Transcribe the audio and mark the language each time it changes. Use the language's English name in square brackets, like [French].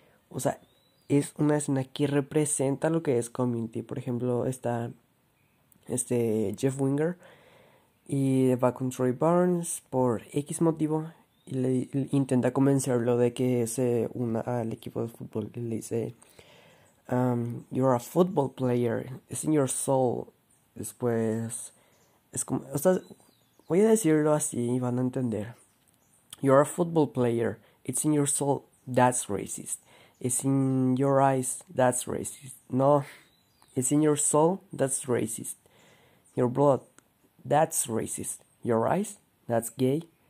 [Spanish] O sea, es una escena que representa lo que es Community. Por ejemplo, está Jeff Winger y va con Troy Barnes por X motivo. Y le intenta convencerlo de que se una al equipo de fútbol. Y le dice: [English] "You're a football player. It's in your soul". [Spanish] Después, es como, o sea, voy a decirlo así y van a entender: [English] "You're a football player. It's in your soul. That's racist. It's in your eyes. That's racist. No, it's in your soul. That's racist. Your blood. That's racist. Your eyes. That's gay.